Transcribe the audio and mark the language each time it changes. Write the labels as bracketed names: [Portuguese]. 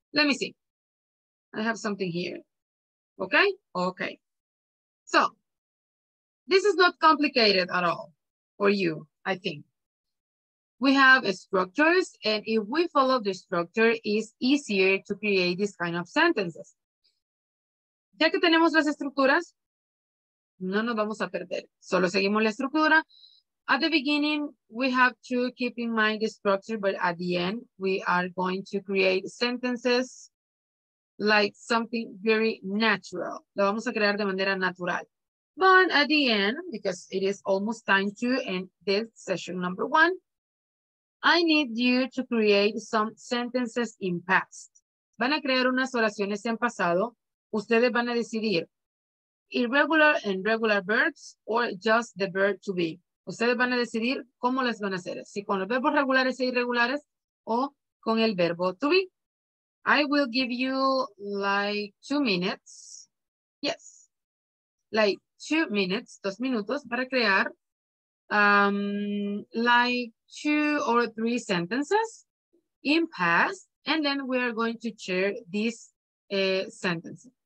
[English] Let me see. I have something here. Okay? Okay. So this is not complicated at all for you, I think. We have structures, and if we follow the structure, it's easier to create this kind of sentences. [Spanish] Ya que tenemos las estructuras, no nos vamos a perder. Solo seguimos la estructura. [English] At the beginning, we have to keep in mind the structure, but at the end, we are going to create sentences like something very natural. [Spanish] Lo vamos a crear de manera natural. [English] But at the end, because it is almost time to end this session number one, I need you to create some sentences in past. [Spanish] Van a crear unas oraciones en pasado. Ustedes van a decidir [English] irregular and regular verbs or just the verb to be. [Spanish] Ustedes van a decidir cómo las van a hacer. Si con los verbos regulares e irregulares o con el verbo to be. [English] I will give you like 2 minutes. Yes. Like 2 minutes [Spanish] para crear [English] like 2 or 3 sentences in past, and then we are going to share this sentence.